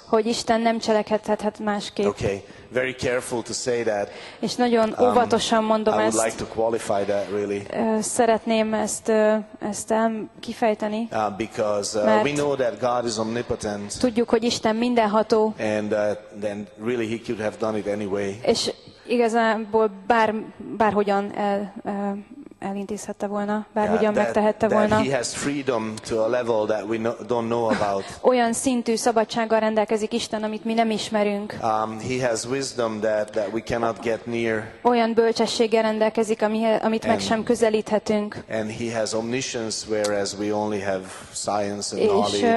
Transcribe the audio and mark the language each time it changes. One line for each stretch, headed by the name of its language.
Hungarian: Hogy Isten nem cselekedhet másképp.
English: Okay. Very careful to say that.
Hungarian: És nagyon óvatosan mondom ezt.
English: I would like to qualify that really.
Hungarian: Szeretném ezt kifejteni.
English: Because we know that God is omnipotent.
Hungarian: Tudjuk, hogy Isten mindenható.
English: And then really he could have done it anyway.
Hungarian: És igazából bárhogyan elintézhette volna, bárhogyan megtehette volna.
English: He has freedom to a level that we don't know about.
Hungarian: Olyan szintű szabadsággal rendelkezik Isten, amit mi nem ismerünk.
English: He has wisdom that we cannot get near.
Hungarian: Olyan bölcsességgel rendelkezik, amit meg sem közelíthetünk.
English: And he has omniscience whereas we only have science and knowledge.